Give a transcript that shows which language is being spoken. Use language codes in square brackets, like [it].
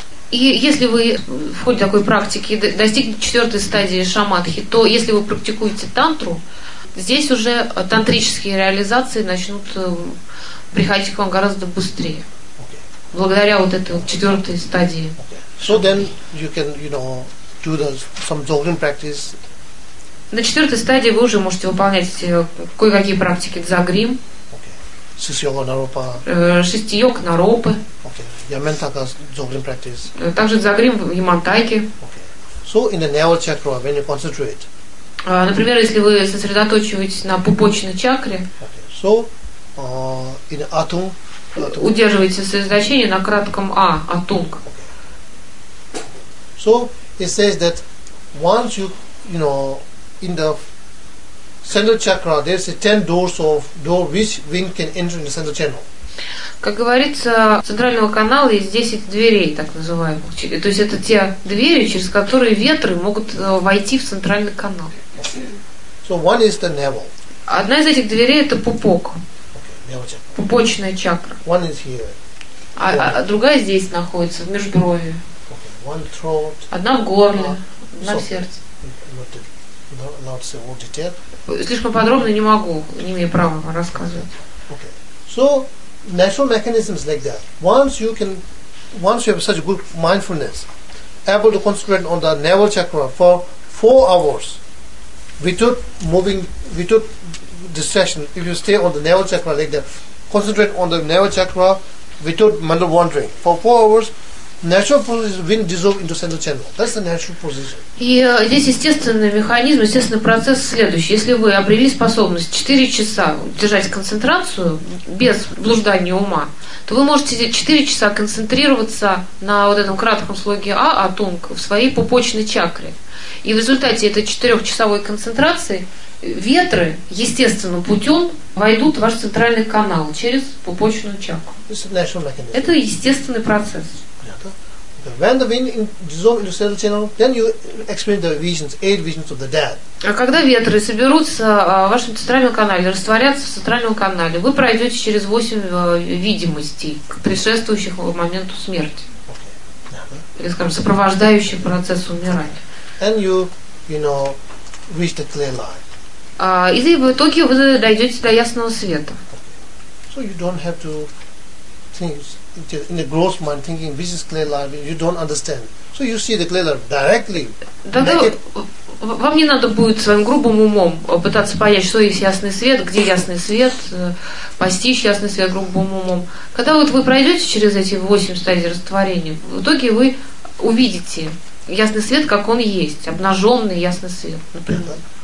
[ru] И если вы в ходе такой практики достигнете четвертой стадии шаматхи, то если вы практикуете тантру, здесь уже тантрические реализации начнут приходить к вам гораздо быстрее. [en] Okay. [ru] Благодаря вот этой вот четвертой стадии. [en] Okay. So then you can, you know, do the some dzogchen practice. [ru] На четвертой стадии вы уже можете выполнять кое-какие практики дзагрим. Шести йог наропы. [en] Okay. Ямантака дзогрин практис. [ru] Также дзагрим в ямантайке. [en] Okay. So in the navel chakra, when you concentrate. [ru] Например, если вы сосредоточиваетесь на пупочной чакре. [en] Okay. So in atum, [ru] удерживаете сосредоточение на кратком а, атунг. [en] So it says that once you, you know, in the central chakra, there's a 10 doors of door which wind can enter in the central channel. [ru] Как говорится, центрального канала есть 10 дверей, так называемых. То есть это те двери, через которые ветры могут войти в центральный канал. [en] So one is the navel. [ru] Одна из этих дверей это пупок. [en] Okay, navel chakra. [ru] Пупочная чакра. [en] One is here. [ru] А другая здесь находится, в межброви. [en] Okay, one throat. [ru] Одна в горле, одна в сердце. [en] Not say all detail. [ru] Слишком подробно не могу, не имею права рассказывать. [en] Okay. So natural mechanisms like that. Once you have such good mindfulness, able to concentrate on the navel chakra for 4 hours, without moving, without distraction, if you stay on the navel chakra like that, concentrate on the navel chakra without mental wandering for 4 hours. Natural process wind dissolve into central channel. That's the natural position. [ru] И здесь естественный механизм, естественный процесс следующий. Если вы обрели способность 4 часа держать концентрацию без блуждания ума, то вы можете 4 часа концентрироваться на вот этом кратком слоге А, атунг, в своей пупочной чакре. И в результате этой 4-часовой концентрации ветры естественным путем войдут в ваш центральный канал через пупочную чакру. [en] It's a natural mechanism. [ru] Это естественный процесс. [en] When the wind dissolves into central channel, then you experience the visions, 8 visions of the dead. [ru] А когда ветры соберутся в вашем центральном канале, растворятся в центральном канале, вы пройдете через 8 видимостей, предшествующих моменту смерти. [en] Okay. [ru] Или, скажем, сопровождающих процесс умирания. [en] And you, you know, reach the clear light. [ru] И в итоге вы дойдете до ясного света. [en] So you don't have to think in a gross mind thinking this is clear light, you don't understand. So you see the clear light directly. [ru] Вам не надо будет своим грубым умом пытаться понять, что есть ясный свет, где ясный свет, постичь ясный свет грубым умом. Когда вот вы пройдете через эти 8 стадий растворения, в итоге вы увидите ясный свет, как он есть, обнаженный ясный свет, например.